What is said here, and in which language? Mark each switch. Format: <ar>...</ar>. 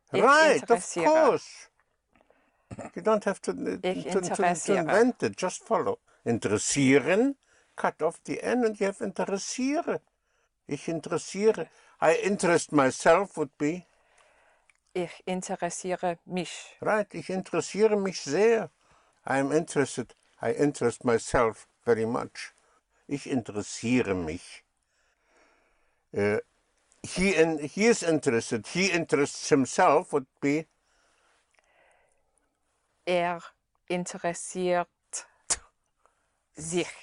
<en>Right, interessiere. Of course. You don't have to invent it, just follow. Interessieren, cut off the N and you have interessiere.</en> <de>Ich interessiere.</de> <en>I interest myself would be.</en> <de>Ich interessiere mich. Right, ich interessiere mich sehr.</de> <en>I am interested. I interest myself very much.</en> <de>Ich interessiere mich.</de> <en>He is interested. He interests himself would be.</en> <de>Er interessiert sich.</de>